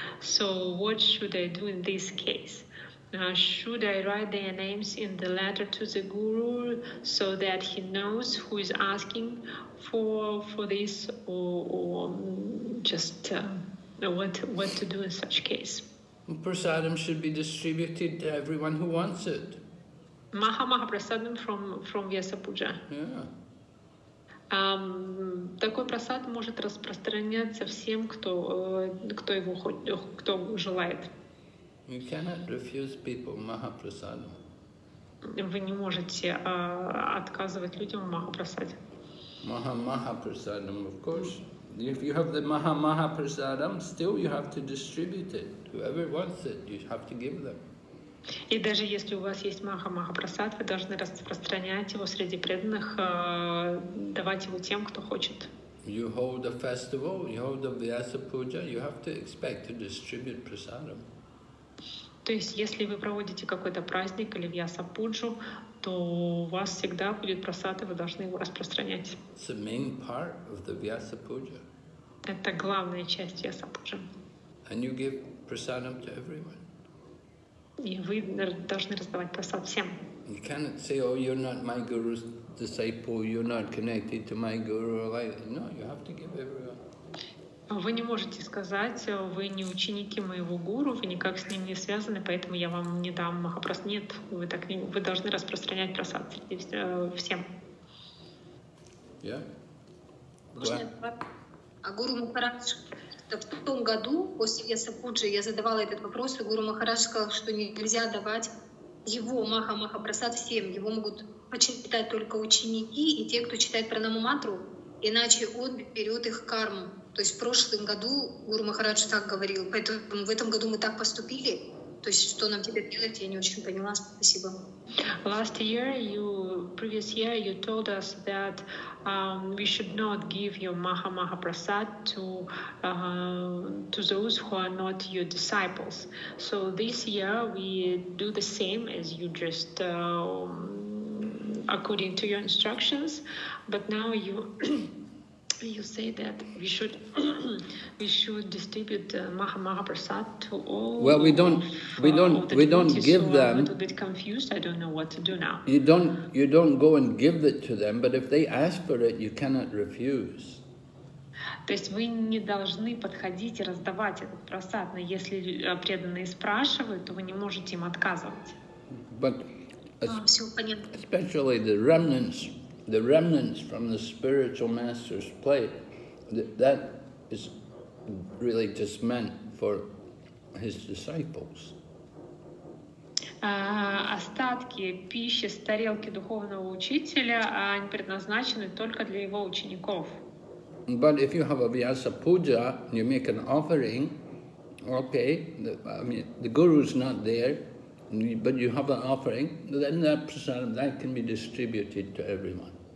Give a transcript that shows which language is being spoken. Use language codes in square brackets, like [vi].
[en] So what should I do in this case? Should I write their names in the letter to the guru so that he knows who is asking for this, or just what to do in such case? Prasadam should be distributed to everyone who wants it. Mahaprasadam from Vyasa Puja. Yeah. [ru] Такой просад может распространяться всем, кто желает. [en] You cannot refuse people Mahaprasad. [ru] Вы не можете отказывать людям в Mahaprasad. [en] Mahaprasad, of course. If you have the Mahaprasad, still you have to distribute it. Whoever wants it, you have to give them. [ru] И даже если у вас есть Махапрасад, вы должны распространять его среди преданных, давать его тем, кто хочет. [en] You hold a festival, you hold a Vyasa Puja, you have to expect to distribute prasadam. [ru] То есть, если вы проводите какой-то праздник или Вьяса Пуджу, то у вас всегда будет прасад, и вы должны его распространять. [en] It's the main part of the Vyasa Puja. [ru] Это главная часть Вьяса Пуджа. [en] And you give prasadam to everyone. [ru] И вы должны раздавать просад всем. [en] You cannot say, oh, you're not my guru's disciple, you're not connected to my guru. No, you have to give everyone. [ru] Вы не можете сказать, вы не ученики моего гуру, вы никак с ним не связаны, поэтому я вам не дам махапрасад. Нет, вы должны распространять просад всем. [en] Yeah. [ru] Можно вопрос? А гуру Махарадж? В том году, после Вьяса Пуджи, я задавала этот вопрос, и Гуру Махарадж сказал, что нельзя давать его Маха-Махапрасад всем, его могут почитать только ученики и те, кто читает пранаму мантру, иначе он берет их карму. То есть в прошлом году Гуру Махарадж так говорил, поэтому в этом году мы так поступили. То есть что нам теперь делать, я не очень поняла. Спасибо. [en] Last year, you, previous year, you told us that we should not give your Maha-Maha-Prasad to those who are not your disciples. So this year, we do the same as you just according to your instructions, but now you you say that we should we should distribute Maha-Maha-Prasad to all. Well, we don't give so them. I'm a little bit confused. I don't know what to do now. You don't go and give it to them, but if they ask for it, you cannot refuse. [ru] То есть вы не должны подходить и раздавать этот просад, но если преданные спрашивают, то вы не можете им отказывать. [en] But especially the remnants from the spiritual master's plate, that is really just meant for his disciples. [ru] Остатки пищи с тарелки духовного учителя, они предназначены только для его учеников. [en] But if you have a Vyasa Puja, you make an offering, okay, the guru's not there, but you have an offering, then that prasadam, that can be distributed to everyone.